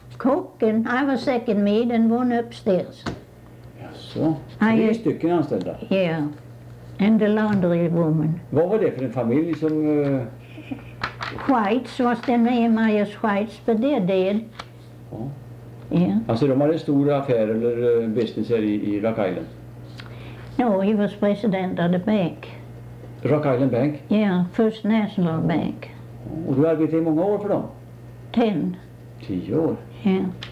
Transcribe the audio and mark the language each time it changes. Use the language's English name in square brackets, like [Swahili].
[English] Cook and I was second maid and one upstairs. [Swedish] Jaså, 3 stycken anställda? [English] Ja. Yeah. And the laundry woman. [Swedish] Vad var det för en familj som... [English] Whites was the name, Myers Whites, but they're dead. [Swedish] Ja. [English] Yeah. [Swedish] Alltså de hade stora affärer eller business här i Rock Island? [English] No, he was president of the bank. Rock Island Bank? Ja, yeah, First National Bank. [Swedish] Och du arbetade i många år för dem? 10 år? Ja. Yeah.